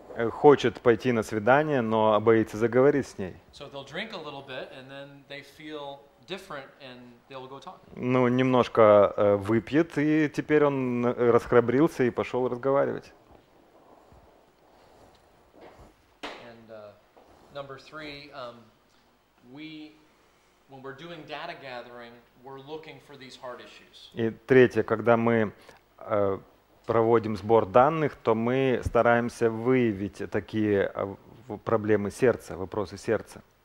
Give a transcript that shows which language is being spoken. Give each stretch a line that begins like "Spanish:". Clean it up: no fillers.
Russian: Хочет пойти на свидание, но боится заговорить с ней.
English: So they'll drink a little bit, and then they feel different, and they'll go talk.
Russian: Ну, немножко выпьет, и теперь он расхрабрился и пошел разговаривать.
English: And number three, when we're doing data gathering, we're looking for these hard issues.
Russian: И третье, когда мы проводим сбор данных, то мы стараемся выявить такие проблемы сердца, вопросы сердца.